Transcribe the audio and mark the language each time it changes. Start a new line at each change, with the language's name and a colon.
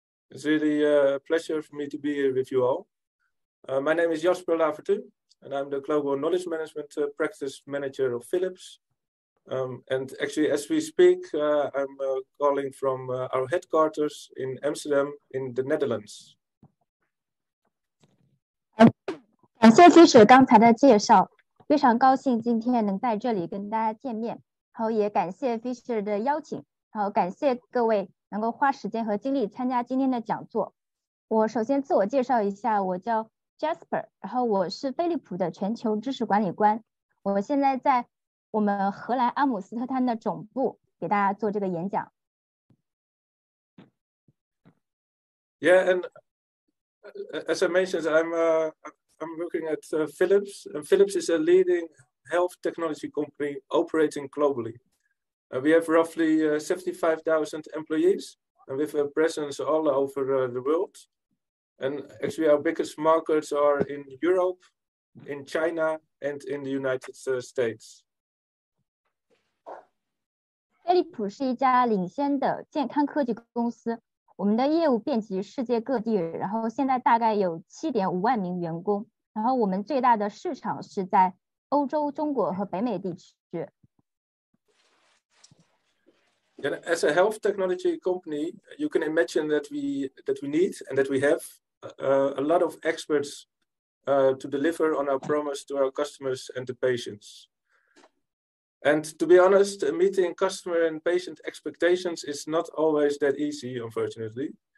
English: It's really a pleasure for me to be here with you all. My name is Jasper Lavertu, and I'm the Global Knowledge Management Practice Manager of Philips. And actually, as we speak, I'm calling from our headquarters in Amsterdam in the Netherlands.
Chinese: 感谢金水刚才的介绍，非常高兴今天能在这里跟大家见面。然后也感谢 Fisher 的邀请，然后感谢各位能够花时间和精力参加今天的讲座。我首先自我介绍一下，我叫 Jasper， 然后我是飞利浦的全球知识管理官，我现在在我们荷兰阿姆斯特丹的总部给大家做这个演讲。
English: Yeah, and as I mentioned, I'm looking at Philips, and Philips is a leading health technology company operating globally. We have roughly 75,000 employees, and with a presence all over the world. And actually, our biggest markets are in Europe, in China, and in the United States.
Chinese: 飞利浦是一家领先的健康科技公司，我们的业务遍及世界各地，然后现在大概有 7.5 万名员工，然后我们最大的市场是在欧洲、中国和北美地区。
English: And as a health technology company, you can imagine that we need and that we have a lot of experts to deliver on our promise to our customers and the patients. And to be honest, meeting customer and patient expectations is not always that easy, unfortunately.